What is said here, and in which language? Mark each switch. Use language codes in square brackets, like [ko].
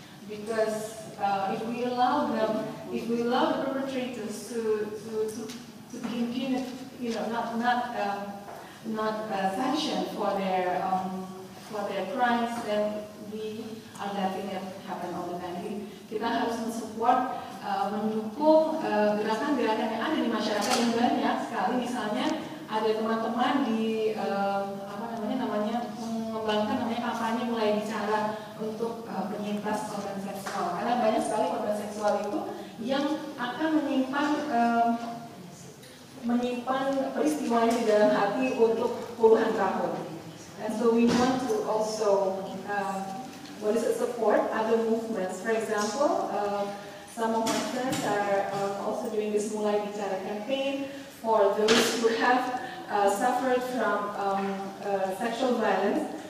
[en] Because if we allow the perpetrators to be impunity, you know, not sanctioned for their crimes, then we are letting it happen all the time. [id] Kita harus mensupport, mendukung gerakan-gerakan yang ada di masyarakat yang banyak sekali. Misalnya ada teman-teman di mengembangkan namanya kampanye mulai bicara untuk penyintas korban seksual, karena banyak sekali korban seksual itu yang akan menyimpan peristiwanya di dalam hati untuk puluhan tahun. [en] And so we want to also what is it, support other movements. For example, some of my friends are also doing this mulai bicara campaign for those who have suffered from sexual violence.